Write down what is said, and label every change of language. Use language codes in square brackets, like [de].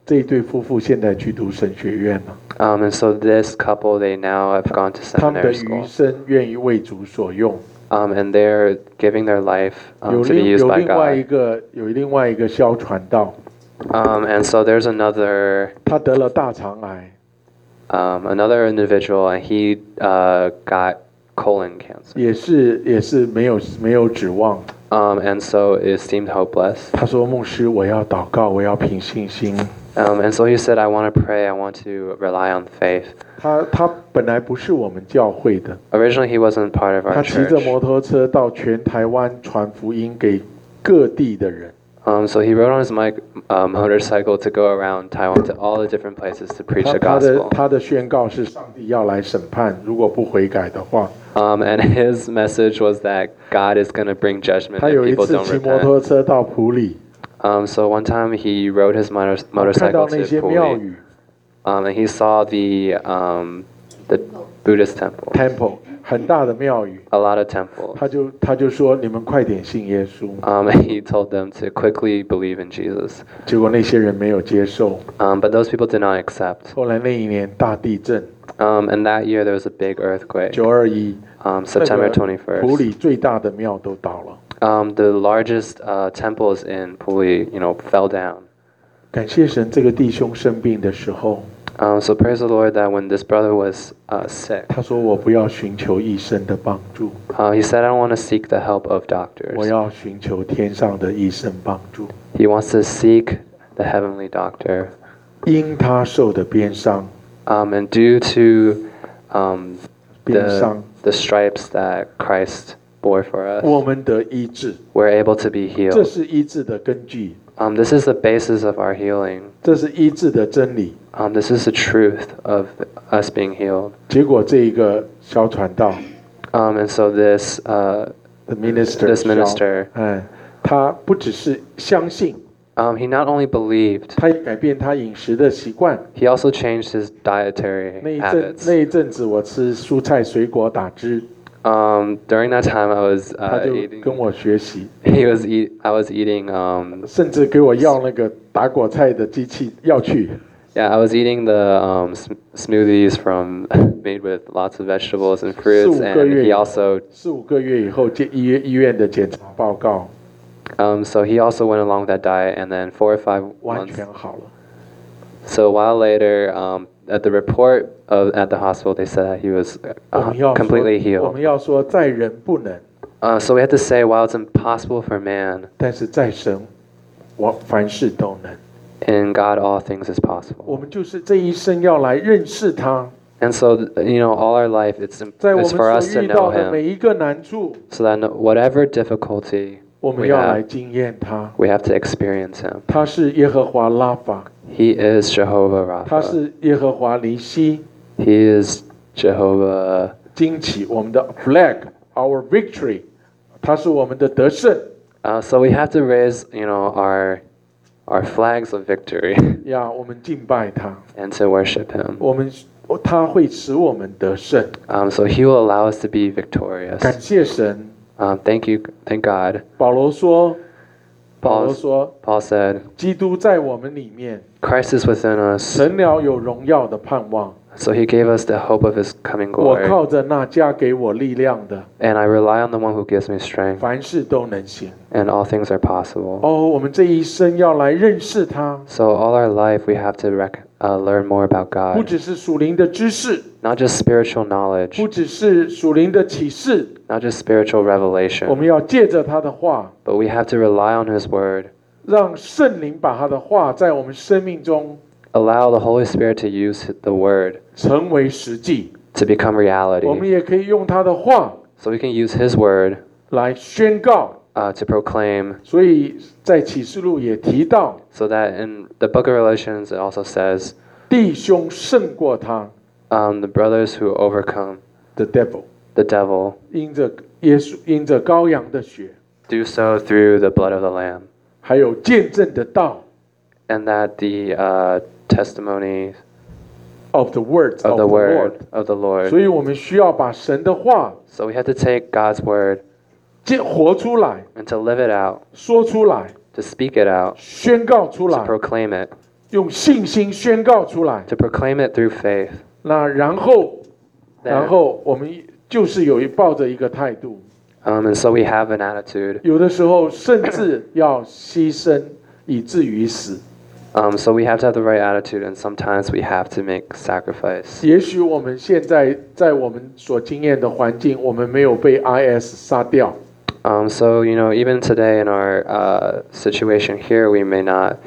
[zh] 这一对夫妇现在去读神学院了。 [en] And so this couple, they now have gone to seminary school. [zh] 他们的余生愿意为主所用。 [en] And they're giving their life to be used by God. [zh] 有另外一个消传道。 [en] And so there's another. [zh] 他得了大肠癌。 [en] Another individual, and he got colon cancer. [zh] 也是没有指望。 [en] And so it seemed hopeless. [zh] 他说牧师我要祷告我要凭信心。 [en] And so he said, I want to pray, I want to rely on faith. [zh] 他本来不是我们教会的。 [en] Originally, he wasn't part of our church. [zh] 他骑着摩托车到全台湾传福音给各地的人。 [en] So he rode on his motorcycle to go around Taiwan to all the different places to preach the gospel. [zh] 他的宣告是上帝要来审判，如果不悔改的话。 [en] And his message was that God is going to bring judgment if people don't repent. [zh] 他有一次骑摩托车到埔里。 [en] So one time he rode his motorcycle to Puli. And he saw the Buddhist temple. [zh] Temple, 很大的庙宇。 [en] A lot of temples. [zh] 他就说你们快点信耶稣。 [en] He told them to quickly believe in Jesus. [zh] 结果那些人没有接受。 [en] But those people did not accept. [zh] 后来那一年大地震。 [en] And that year there was a big earthquake. [zh] 921. [en] September 21st. [zh] 埔里最大的庙都倒了。 [en] The largest temples in Puli, you know, fell down. [zh] 感谢神，这个弟兄生病的时候。 [en] So praise the Lord that when this brother was sick. [zh] 他说我不要寻求医生的帮助。 [en] He said I don't want to seek the help of doctors. [zh] 我要寻求天上的医生帮助。 [en] He wants to seek the heavenly doctor. [zh] 因他受的鞭伤。 [en] And due to the stripes that Christ. Bore for us. [zh] 我们得医治 [en] We're able to be healed. [zh] 这是医治的根据 [en] This is the basis of our healing. [zh] 这是医治的真理 [en] This is the truth of us being healed. [zh] 结果这一个小传道 [en] And so this, the minister, this minister, [zh] 他不只是相信 [en] He not only believed. [zh] 他也改变他饮食的习惯 [en] He also changed his dietary habits. [zh] 那一阵子我吃蔬菜水果打汁 [en] During that time, I was I was eating. [zh] 甚至给我要那个打果菜的机器要去。 [en] Yeah, I was eating the smoothies from made with lots of vegetables and fruits. [zh] 四五个月以后，医院的检查报告。 [en] So he also went along that diet, and then 4 or 5 [zh] 完全好了。 [en] So a while later, at the report. At the hospital, they said that he was completely healed. [zh] 我们要说在人不能。 [en] So we had to say, while it's impossible for man, [zh] 但是在神，我凡事都能。 [en] In God, all things is possible. [zh] 我们就是这一生要来认识他。 [en] And so, you know, all our life, it's for us to know him. [zh] 在我们所遇到的每一个难处。 [en] So that whatever difficulty, [zh] 我们要来经验他。 [en] We have to experience him. [zh] 他是耶和华拉法。 [en] He is Jehovah Rapha. [zh] 他是耶和华尼西。 [en] He is Jehovah. [zh] 旌旗，我们的 [en] flag, our victory. [zh] 他是我们的得胜。 [en] So we have to raise, you know, our flags of victory. [zh] Yeah, 我们敬拜他。 [en] And to worship him. [zh] 我们，他会使我们得胜。 [en] So he will allow us to be victorious. [zh] 感谢神。 [en] Thank you, thank God. [zh] 保罗说。保罗说 [en] Paul said, [zh] 基督在我们里面 [en] Christ is within us. [zh] 神鸟有荣耀的盼望 [en] So he gave us the hope of his coming glory. [zh] 我靠着那加给我力量的 [en] And I rely on the one who gives me strength. [zh] 凡事都能行 [en] And all things are possible. [zh] 哦、oh, 我们这一生要来认识他 [en] So all our life we have to learn more about God. [zh] 不只是属灵的知识 [en] Not just spiritual knowledge. [zh] 不只是属灵的启示 [en] Not just spiritual revelation. [zh] 我们要借着他的话 [en] But we have to rely on his word. [zh] 让圣灵把他的话在我们生命中 [en] Allow the Holy Spirit to use the word. [zh] 成为实际 [en] To become reality. [zh] 我们也可以用他的话 [en] So we can use his word. [zh] 来宣告 [en] To proclaim. [zh] 所以在启示录也提到 [en] So that in the book of Revelation it also says. [zh] 弟兄胜过他 [en] The brothers who overcome. The devil. The devil, [zh] 因着耶稣，因着羔羊的血 [en] do so through the blood of the lamb, [zh] 还有见证的道 [en] and that the testimony of the words of the word of the Lord. [zh] 所以我们需要把神的话 [en] so we have to take God's word, [zh] 活出来 [en] and to live it out, [zh] 说出来 [en] to speak it out, [zh] 宣告出来 [en] to proclaim it, [zh] 用信心宣告出来 [en] to proclaim it through faith. [zh] 那然后，然后我们就是有一抱着一个态度 [en] And so we have an attitude [zh] 有的时候甚至要牺牲以至于死 [en] So we have to have the right attitude And sometimes we have to make sacrifice [zh] 也许我们现在在我们所经验的环境我们没有被 IS 杀掉 [en] So, you know, even today in our situation here, we may not